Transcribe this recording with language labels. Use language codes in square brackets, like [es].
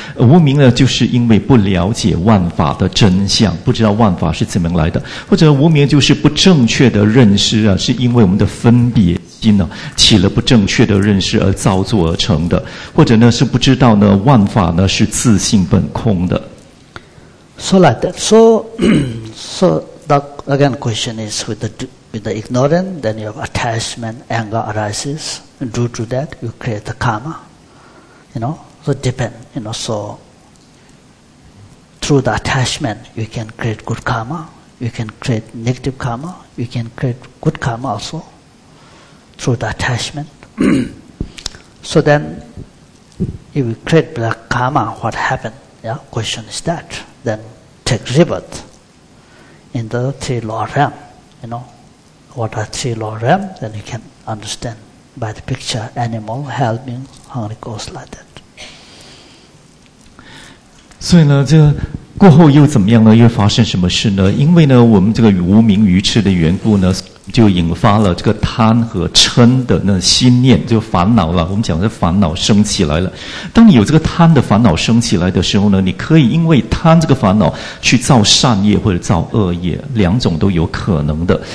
[zh] 无明呢，就是因为不了解万法的真相，不知道万法是怎么来的，或者无明就是不正确的认识啊，是因为我们的分别。心呢起了不正确的认识而造作而成的，或者呢是不知道呢万法呢是自性本空的。 [en] So like that. So, so the again question is with the ignorant, then you have attachment, anger arises. Due to that, you create the karma. You know, so depend. You know, so through the attachment, you can create good karma. You can create negative karma. You can create good karma also. Through the attachment. So then, if you create black karma, what happened? Yeah, question is that. Then take rebirth in the three lower realm. You know, what are three lower realm? Then you can understand by the picture, animal, hell, being, hungry, ghost, like that. [zh] 所以呢，这过后又怎么样呢？又发生什么事呢？因为呢，我们这个无明愚痴的缘故呢，就引发了这个贪和嗔的那心念，就烦恼了。我们讲的烦恼升起来了。当你有这个贪的烦恼升起来的时候呢，你可以因为贪这个烦恼去造善业或者造恶业，两种都有可能的。